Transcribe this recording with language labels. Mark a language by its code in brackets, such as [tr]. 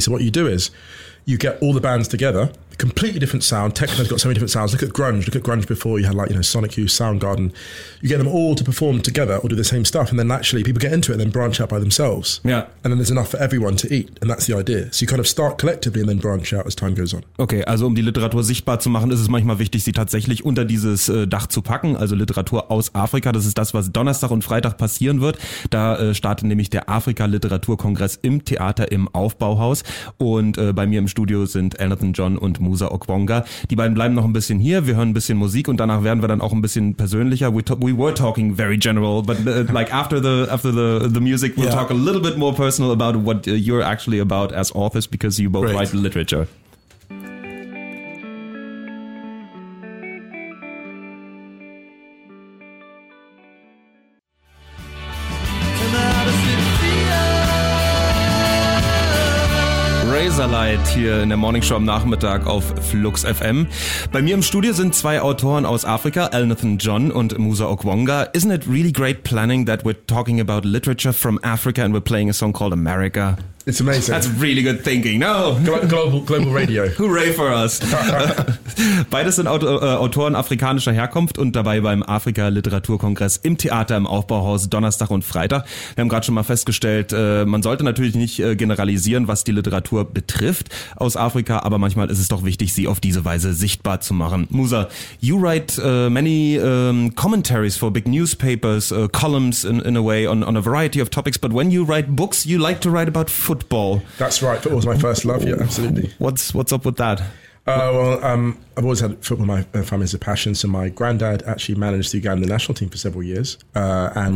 [en] So what you do is you get all the bands together, completely different sound. Techno's got so many different sounds. Look at grunge before you had, like, you know, Sonic Youth, Soundgarden. You get them all to perform together or do the same stuff, and then naturally people get into it and then branch out by themselves. Yeah. And then there's enough for everyone to eat, and that's the idea. So you kind of start collectively and then branch out as time goes on. [de] Okay, also um die Literatur sichtbar zu machen, ist es manchmal wichtig, sie tatsächlich unter dieses Dach zu packen, also Literatur aus Afrika. Das ist das, was Donnerstag und Freitag passieren wird. Da startet nämlich der Afrika-Literaturkongress im Theater im Aufbauhaus. Und bei mir im Studio sind Elnathan John und Musa Okwonga. Die beiden bleiben noch ein bisschen hier. Wir hören ein bisschen Musik und danach werden wir dann auch ein bisschen persönlicher. [en] We were talking very general, but like after the music, we'll talk a little bit more personal about what you're actually about as authors, because you both write literature. [de] Hier in der Morning Show am Nachmittag auf Flux FM. Bei mir im Studio sind zwei Autoren aus Afrika, Elnathan John und Musa Okwonga. [en] Isn't it really great planning that we're talking about literature from Africa and we're playing a song called America? It's amazing. That's really good thinking. No. Global Radio. Hooray for us. [de] Beides sind Autoren afrikanischer Herkunft und dabei beim Afrika-Literaturkongress im Theater im Aufbauhaus Donnerstag und Freitag. Wir haben gerade schon mal festgestellt, man sollte natürlich nicht generalisieren, was die Literatur betrifft aus Afrika, aber manchmal ist es doch wichtig, sie auf diese Weise sichtbar zu machen. [en] Musa, you write many commentaries for big newspapers, columns in a way on a variety of topics, but when you write books, you like to write about football. That's right. Football was my first love. Yeah, absolutely. What's up with that? I've always had football. My family's a passion. So my granddad actually managed the Uganda national team for several years. And